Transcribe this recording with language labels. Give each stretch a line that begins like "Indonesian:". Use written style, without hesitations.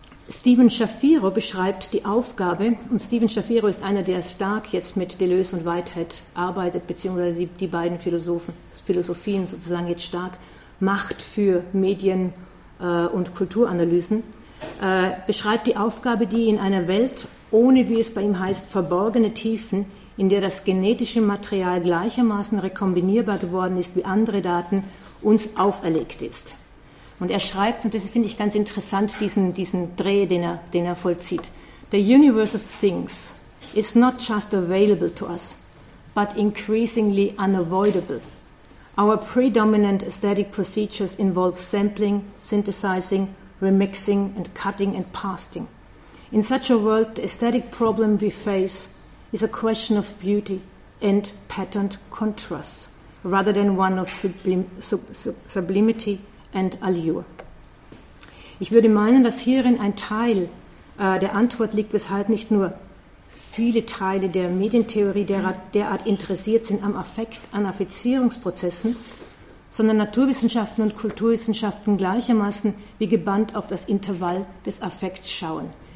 German: Stephen Shapiro beschreibt die Aufgabe, und Stephen Shapiro ist einer, der stark jetzt mit Deleuze und Whitehead arbeitet, beziehungsweise die beiden Philosophien sozusagen jetzt stark macht für Medien und Kulturanalysen, beschreibt die Aufgabe, die in einer Welt ohne, wie es bei ihm heißt, verborgene Tiefen, in der das genetische Material gleichermaßen rekombinierbar geworden ist wie andere Daten, uns auferlegt ist. Und er schreibt, und das finde ich ganz interessant, diesen Dreh, den er vollzieht.
English: The universe of things is not just available to us, but increasingly unavoidable. Our predominant aesthetic procedures involve sampling, synthesizing, remixing, and cutting and pasting. In such a world, the aesthetic problem we face is a question of beauty and patterned contrasts, rather than one of sublimity and allure.
German: Ich würde meinen, dass hierin ein Teil der Antwort liegt, weshalb nicht nur viele Teile der Medientheorie derart interessiert sind am Affekt, an Affizierungsprozessen, sondern Naturwissenschaften und Kulturwissenschaften gleichermaßen wie gebannt auf das Intervall des Affekts schauen.